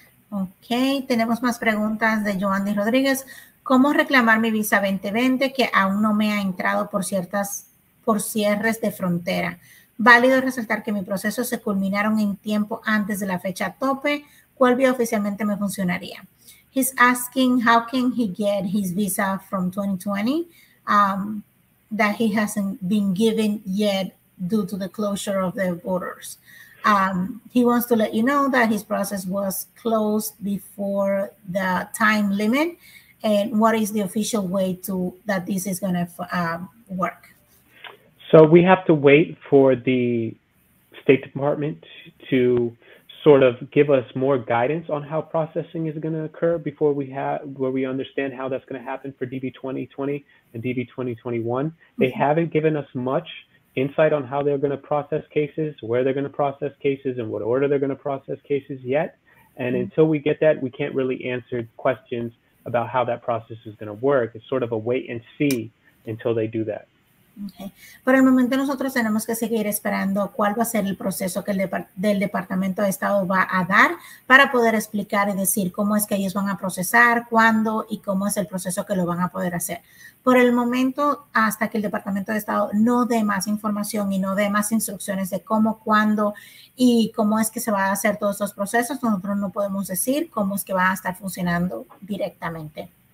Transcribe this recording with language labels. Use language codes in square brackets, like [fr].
[es] Okay, tenemos más preguntas de Joandy Rodríguez. ¿Cómo reclamar mi visa 2020 que aún no me ha entrado por cierres de frontera? Válido resaltar que mi proceso se culminaron en tiempo antes de la fecha tope. ¿Cuál vía oficialmente me funcionaría? [en] He's asking how can he get his visa from 2020 that he hasn't been given yet due to the closure of the borders. He wants to let you know that his process was closed before the time limit, and what is the official way to that this is going to work? So we have to wait for the State Department to sort of give us more guidance on how processing is going to occur before we have where we understand how that's going to happen for DB 2020 and DB 2021. They haven't given us much insight on how they're going to process cases, where they're going to process cases, and what order they're going to process cases yet. And until we get that, we can't really answer questions about how that process is going to work. It's sort of a wait and see until they do that. Okay. [es] Por el momento nosotros tenemos que seguir esperando cuál va a ser el proceso que del Departamento de Estado va a dar para poder explicar y decir cómo es que ellos van a procesar, cuándo y cómo es el proceso que lo van a poder hacer. Por el momento, hasta que el Departamento de Estado no dé más información y no dé más instrucciones de cómo, cuándo y cómo es que se van a hacer todos estos procesos, nosotros no podemos decir cómo es que van a estar funcionando directamente.